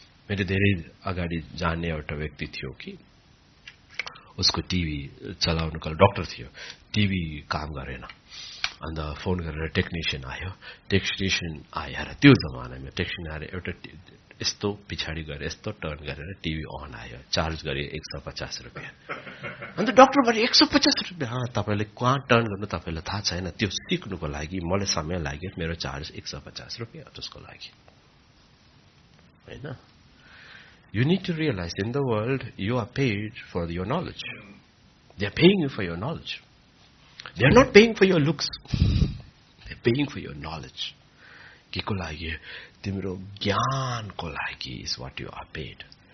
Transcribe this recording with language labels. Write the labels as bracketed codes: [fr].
[ne] मेरो धेरै अगाडि जान्ने एउटा व्यक्ति थियो कि, उसको टिभी चलाउनुको लागि, डक्टर थियो, टिभी काम गरेन, अन्त फोन गरेर टेक्निसियन आयो, टेक्निसियन आएर, त्यो जमानामा टेक्निसियन आएर एउटा यस्तो पछाडि गएर यस्तो टर्न गरेर टिभी अन आयो, चार्ज गरे 150 रुपियाँ, अन्त डक्टर भने 150 रुपियाँ, तपाईँले कहाँ टर्न गर्नु तपाईँलाई थाहा छैन, त्यो सिक्नुको लागि मलाई समय लाग्यो, मेरो चार्ज 150 रुपियाँ त्यसको लागि, होइन? [en] You need to realise in the world you are paid for your knowledge, They are paying you for your knowledge. They are not paying for your looks. They are paying for your knowledge. [ne] Kikulagi, timro gyan kolagi [en] is what you are paid.